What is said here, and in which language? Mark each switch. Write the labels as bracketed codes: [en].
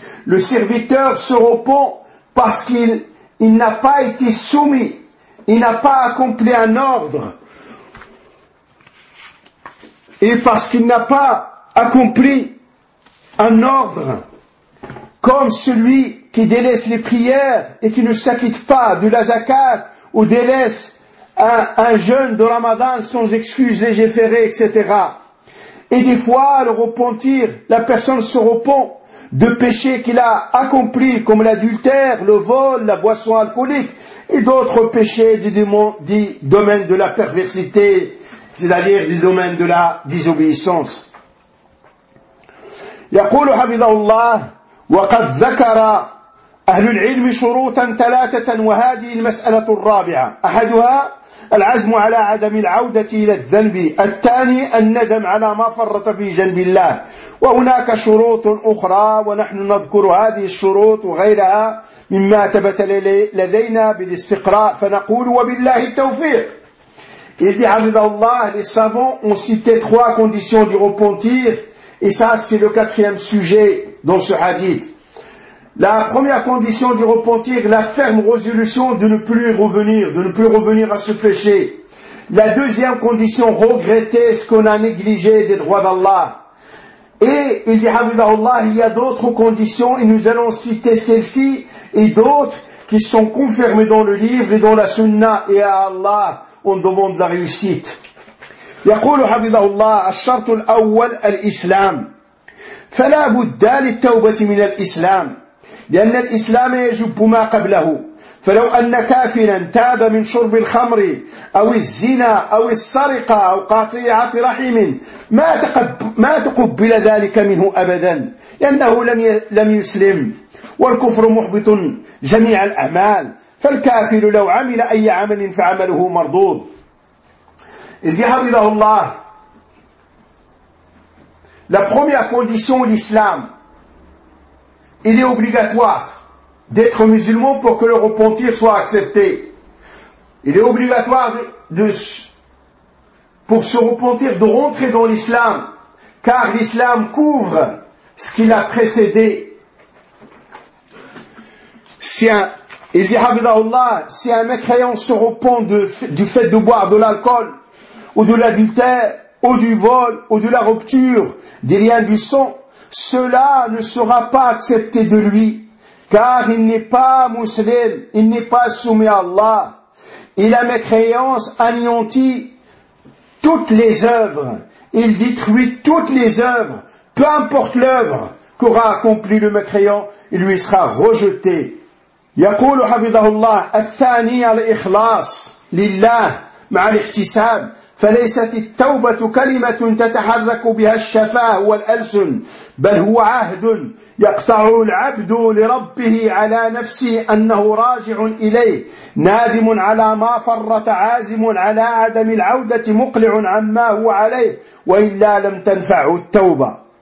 [fr] Le serviteur se repent parce qu'il n'a pas été soumis, il n'a pas accompli un ordre, et parce qu'il n'a pas accompli un ordre comme celui qui délaisse les prières et qui ne s'acquitte pas de la zakat ou délaisse un jeûne de Ramadan sans excuse légiférée, etc. Et des fois, la personne se repent de péchés qu'il a accomplis, comme l'adultère, le vol, la boisson alcoolique, et d'autres péchés du domaine de la perversité, c'est-à-dire du domaine de la désobéissance. [ar] يقول حفظه الله وقد ذكر أهل العلم شروطا ثلاثة وهذه المسألة الرابعة أحدها العزم على عدم العودة إلى الذنب الثاني الندم على ما فرط في جنب الله وهناك شروط أخرى ونحن نذكر هذه الشروط وغيرها مما ثبت لدينا بالاستقراء فنقول وبالله التوفيق. [fr] Il dit [ar] حفظه الله [fr] les savants ont cité trois conditions du repentir. Et ça, c'est le quatrième sujet dans ce hadith. La première condition du repentir, la ferme résolution de ne plus revenir, de ne plus revenir à ce péché. La deuxième condition, regretter ce qu'on a négligé des droits d'Allah. Et il dit, Habibullah, il y a d'autres conditions, et nous allons citer celles-ci, et d'autres qui sont confirmées dans le livre et dans la sunna, et à Allah, on demande la réussite. [ar] يقول حفظه الله الشرط الأول الإسلام فلا بد للتوبة من الإسلام لأن الإسلام يجب ما قبله فلو أن كافرا تاب من شرب الخمر أو الزنا أو السرقة أو قطيعة رحم ما تقبل ذلك منه أبدا لأنه لم يسلم والكفر محبط جميع الأعمال فالكافر لو عمل أي عمل فعمله مردود. [fr] Il dit, Habibullah, la première condition, l'islam, il est obligatoire d'être musulman pour que le repentir soit accepté. Il est obligatoire pour se repentir de rentrer dans l'islam, car l'islam couvre ce qui l'a précédé. Il dit, Habibullah, si un mécréant se repent du fait de boire de l'alcool, ou de l'adultère, ou du vol, ou de la rupture des liens du sang, cela ne sera pas accepté de lui, car il n'est pas musulman, il n'est pas soumis à Allah. Il a mécréant, anéanti toutes les œuvres, il détruit toutes les œuvres, peu importe l'œuvre qu'aura accompli le mécréant, il lui sera rejeté. [ar] يقول حفظه الله الثاني الإخلاص لله مع الاحتساب فليست التوبة كلمة تتحرك بها الشفاه والألسن بل هو عهد يقطع العبد لربه على نفسه أنه راجع إليه نادم على ما فرط عازم على عدم العودة مقلع عما هو عليه وإلا لم تنفع التوبة.